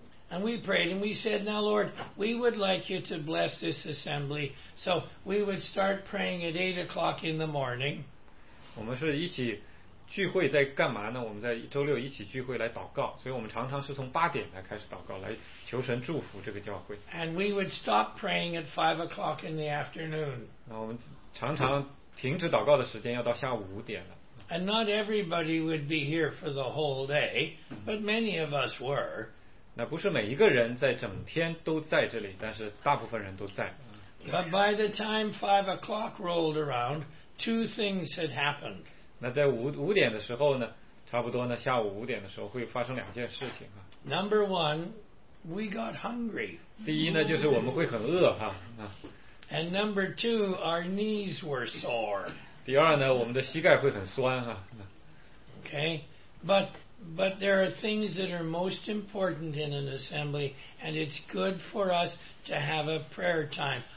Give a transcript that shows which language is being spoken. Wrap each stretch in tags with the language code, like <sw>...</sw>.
<en>And we prayed and we said, now Lord, we would like you to bless this assembly. So we would start praying at 8 o'clock in the morning.</en> <zh>我们是一起聚会在干嘛呢？我们在周六一起聚会来祷告，所以我们常常是从八点来开始祷告，来求神祝福这个教会。</zh> <en>And we would stop praying at 5 o'clock in the afternoon.</en> <zh>那我们常常。停止祷告的时间要到下午五点了。</zh> <en>And not everybody would be here for the whole day, but many of us were.</en> <zh>那不是每一个人在整天都在这里，但是大部分人都在。</zh> <en>But by the time 5 o'clock rolled around, two things had happened.</en> <zh>那在五点的时候呢，差不多呢，下午五点的时候会发生两件事情啊。</zh> <en>Number one, we got hungry.</en> <zh>第一呢，就是我们会很饿哈啊。</zh> <en>And number two, our knees were sore.</en> <zh>第二呢，我们的膝盖会很酸哈。</zh> <en>Okay, but there are things that are most important in an assembly, and it's good for us to have a prayer time.</en>